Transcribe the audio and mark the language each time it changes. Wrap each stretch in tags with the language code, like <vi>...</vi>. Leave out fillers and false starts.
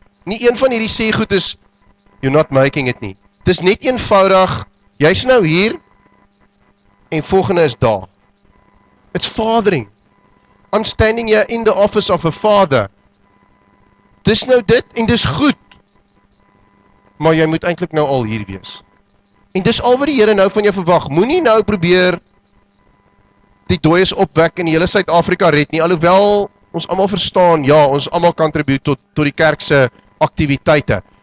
<af>Nie een van hierdie sê goed is,</af> <en>you're not making it</en> <af>nie. Het is net eenvoudig, jy is nou hier, en volgende is daar.</af> <en>It's fathering. I'm standing here in the office of a father.</en> <af>Dis nou dit, en dis goed. Maar jy moet eintlik nou al hier wees. En dis al wat die Here nou van jou verwag, moet nie nou probeer die dooies opwek en die hele Suid-Afrika red nie, alhoewel ons almal verstaan, ja, ons almal contribute tot die kerk se aktiwiteite.</af>